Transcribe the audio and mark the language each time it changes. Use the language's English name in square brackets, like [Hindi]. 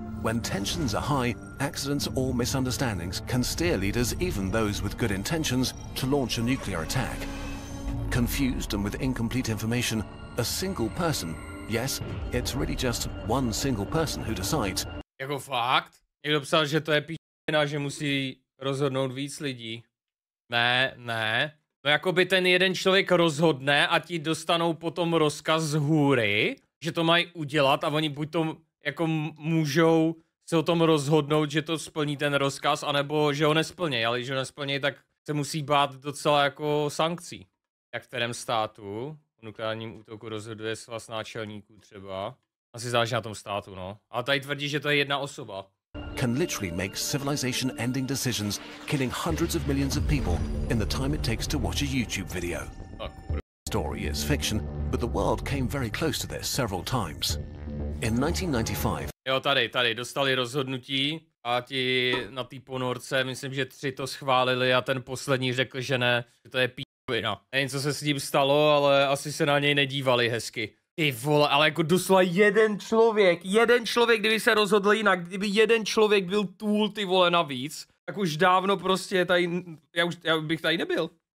[English] When tensions are high, accidents or misunderstandings can steer leaders, even those with good intentions, to launch a nuclear attack. Confused and with incomplete information, a single person, yes, it's really just one single person who decides. [Czech] Jako fakt? Někdo psal, že to je p***na, že musí rozhodnout víc lidí. Ne, ne. No jakoby ten jeden člověk rozhodne a ti dostanou potom rozkaz z hůry, že to mají udělat a oni buď to jako můžou se o tom rozhodnout, že to splní ten rozkaz, anebo že ho nesplnějí, ale že ho nesplnějí, tak se musí bát docela jako sankcí. Jak v kterém státu o nukleárním útoku rozhoduje svaz náčelníků třeba. Asi záleží na tom státu, no. A tady tvrdí, že to je jedna osoba. [English] Can literally make civilization ending decisions, killing hundreds of millions of people in the time it takes to watch a YouTube video. The story is fiction, but the world came very close to this several times. In 1995. [Czech] Jo, tady dostali rozhodnutí a ti na té ponorce, myslím, že tři to schválili a ten poslední řekl, že ne, že to je p***vina. Nevím, co se s ním stalo, ale asi se na něj nedívali hezky. Ty vole, ale jako doslova jeden člověk, kdyby se rozhodl jinak, kdyby jeden člověk byl tůl, ty vole, navíc, tak už dávno prostě tady, já bych tady nebyl.